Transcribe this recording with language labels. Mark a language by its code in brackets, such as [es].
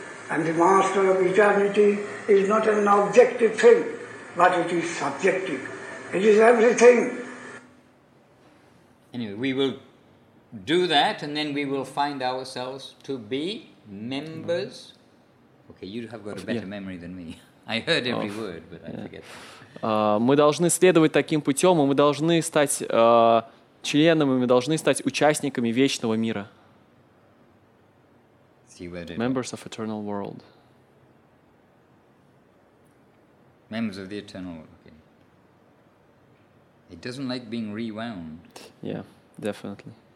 [en] And the master of eternity is not an objective thing, but it is subjective. It is everything. Anyway, we will do that, and then we will find ourselves to be members. Okay, you have got a better memory than me. I heard every word, but I forget. [ru] Мы должны следовать таким путем, и мы должны стать членами, мы должны стать участниками вечного мира. [en] Members of eternal world. Members of the eternal world. Okay. It doesn't like being rewound. Yeah, definitely.